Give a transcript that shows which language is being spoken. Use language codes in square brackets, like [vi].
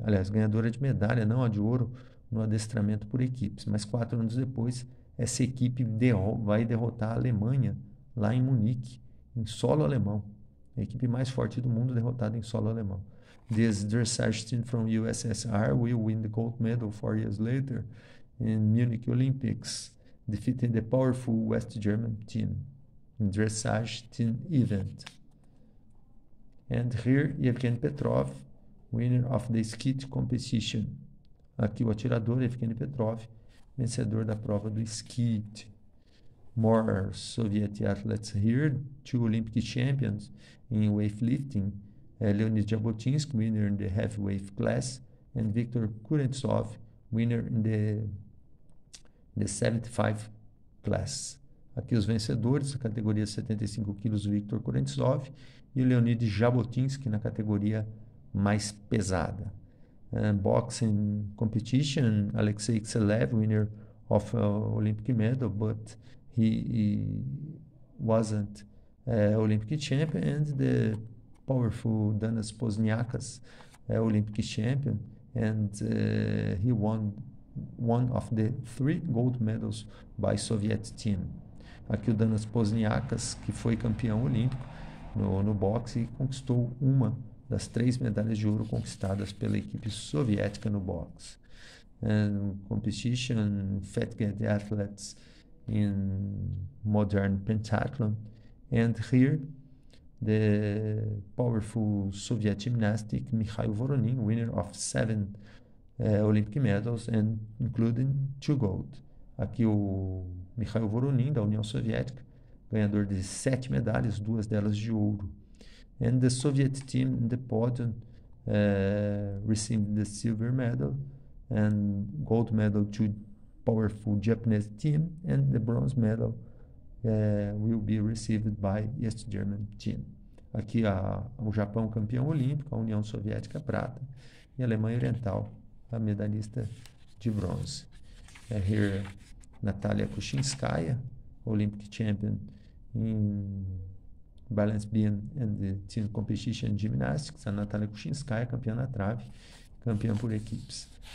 [pt] Aliás, ganhadora de medalha, não a de ouro, no adestramento por equipes. Mas 4 anos depois, essa equipe vai derrotar a Alemanha, lá em Munique, em solo alemão. A equipe mais forte do mundo derrotada em solo alemão. [en] This dressage team from USSR will win the gold medal 4 years later in Munich Olympics, defeating the powerful West German team in dressage team event. And here, Yevgeny Petrov, winner of the skeet competition. [pt] Aqui o atirador, Yevgeny Petrov, vencedor da prova do skeet. [en] More Soviet athletes here, two Olympic champions in weightlifting, Leonid Jabotinsky, winner in the heavyweight class, and Viktor Kurentsov, winner in the 75 class. [pt] Aqui os vencedores, na categoria 75 quilos, Viktor Kurentsov e Leonid Jabotinsky na categoria mais pesada. [en] Boxing competition, Alexei Kiselev, winner of Olympic medal, but he wasn't Olympic champion, and the powerful Danas Pozniakas, Olympic champion, and he won one of the three gold medals by Soviet team. [pt] Aqui o Danas Pozniakas, que foi campeão olímpico no boxe e conquistou uma das três medalhas de ouro conquistadas pela equipe soviética no boxe. [en] And competition, fat get the athletes in modern pentathlon. And here, the powerful Soviet gymnastic Mikhail Voronin, winner of seven Olympic medals, and including two gold. [pt] Aqui o Mikhail Voronin, da União Soviética, ganhador de sete medalhas, duas delas de ouro. [en] And the Soviet team in the podium received the silver medal and gold medal to powerful Japanese team, and the bronze medal will be received by East German team. [pt] Aqui o Japão campeão olímpico, a União Soviética prata e a Alemanha Oriental a medalhista de bronze. [en] Here Natalia Kuchinskaya, Olympic champion in balance beam and the team competition gymnastics. [pt] A Natalia Kuchinskaya, campeã na trave, campeã por equipes.